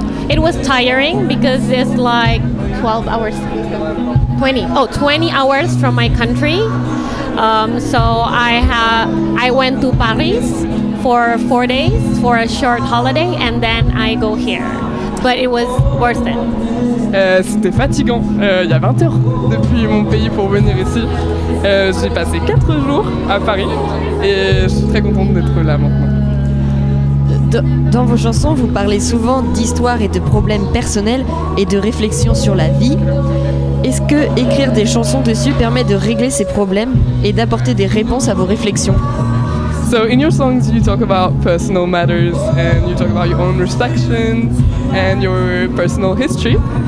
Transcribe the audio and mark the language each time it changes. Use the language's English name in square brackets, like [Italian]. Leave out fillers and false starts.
[English] It was tiring because it's like 20 hours from my country. So I went to Paris for 4 days for a short holiday and then I go here. But it was worth it. [French] C'était fatigant. Il y a 20 heures depuis mon pays pour venir ici. J'ai passé 4 jours à Paris et je suis très contente d'être là maintenant. Dans vos chansons, vous parlez souvent d'histoires et de problèmes personnels et de réflexions sur la vie. Est-ce que écrire des chansons dessus permet de régler ces problèmes et d'apporter des réponses à vos réflexions? [English] So in your songs, you talk about personal matters and you talk about your own reflections and your personal history.